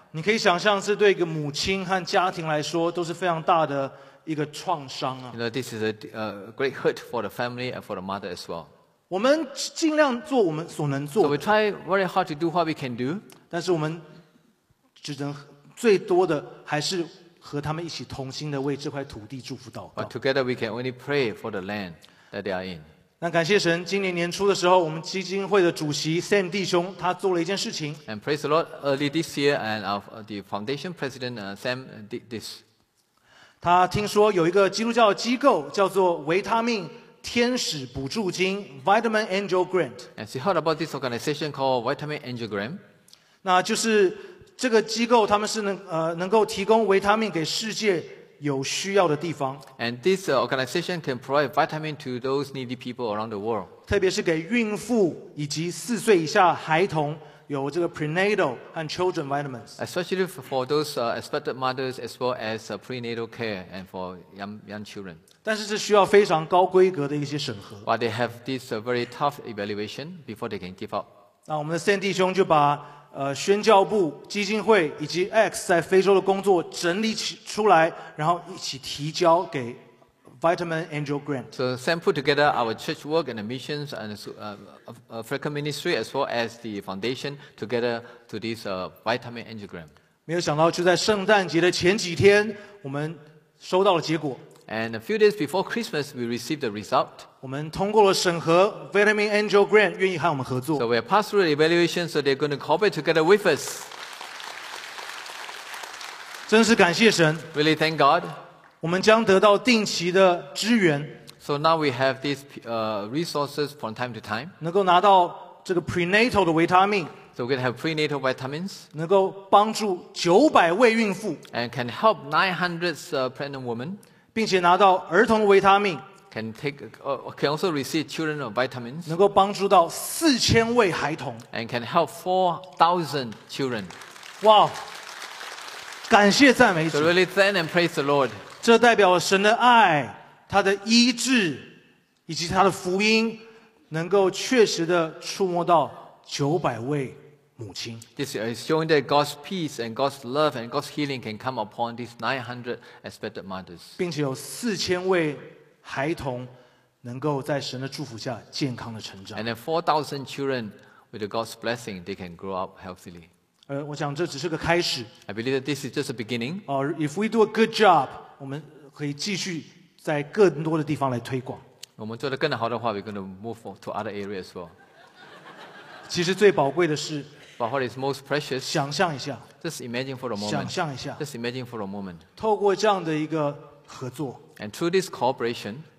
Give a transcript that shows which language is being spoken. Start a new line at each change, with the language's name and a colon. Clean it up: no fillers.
Chinese: 你可以想象是对一个母亲和家庭来说都是非常大的一个创伤啊。
English: You know, this is a great hurt for the family and for the mother as well.
Chinese: 我们尽量做我们所能做的。
English: So we try very hard to do what we can do.
Chinese: 但是我们只能最多的还是和他们一起同心的为这块土地祝福祷告。
English: But together we can only pray for the land that they are in.
Chinese: 那感谢神，今年年初的时候，我们基金会的主席 Sam 弟兄他做了一件事情。
English: And praise the Lord, early this year, and the foundation president Sam did this.
Chinese: 他听说有一个基督教机构叫做维他命天使补助金 Vitamin Angel Grant.
English: And he heard about this organization called Vitamin Angel Grant.
Chinese: 那就是这个机构他们是 能够提供维他命给世界有需要的地方。
English: And this organization can provide vitamin to those needy people around the world.
Chinese: 特别是给孕妇以及四岁以下孩童有这个
English: prenatal and children vitamins. Especially for those expected mothers as well as prenatal care and for young children.
Chinese: 但是这需要非常高规格的一些审核。
English: But they have this very tough evaluation before they can give up.
Chinese: 那我们的圣弟兄就把宣教部基金会以及 X 在非洲的工作整理出来，然后一起提交给 Vitamin Angel Grant.
English: So Sam put together our church work and the missions and African ministry as well as the foundation together to this Vitamin Angel Grant.
Chinese: 没有想到就在圣诞节的前几天我们收到了结果。
English: And a few days before Christmas, we received the result.
Chinese: 我们通过了审核 ，Vitamin Angel Grant 愿意和我们合作。
English: So we passed through the evaluation, so they're going to cooperate together with us.
Chinese: 真是感谢神。
English: Really thank God.
Chinese: 我们将得到定期的支援。
English: So now we have these resources from time to time.
Chinese: 能够拿到这个 prenatal 的维他命。
English: So we're going to have prenatal vitamins.
Chinese: 能够帮助900位孕妇。
English: And can help 900 pregnant women.
Chinese: 并且拿到儿童维他命
English: can also receive children of vitamins
Chinese: 能够帮助到4000位孩童
English: and can help 4000 children
Chinese: 哇、wow, 感谢赞美主
English: so really thank and praise the Lord
Chinese: 这代表神的爱他的医治以及他的福音能够确实的触摸到900位母亲
English: This is showing that God's peace and God's love and God's healing can come upon these 900 expected mothers.
Chinese: 并且有4000位孩童能够在神的祝福下健康的成长。
English: And then 4000 children with God's blessing, they can grow up healthily.
Chinese: 我想这只是个开始。
English: I believe that this is just a beginning. If we do a good job,
Chinese: 我们可以继续在更多的地方来推广。我们做得更好的话
English: we're going to move to other areas as well.
Chinese: 其实最宝贵的是
English: But what is most precious,
Chinese: 想象一下
English: Just imagine for a moment
Chinese: 想象一下
English: Just imagine for a moment
Chinese: 透过这样的一个合作
English: And through this cooperation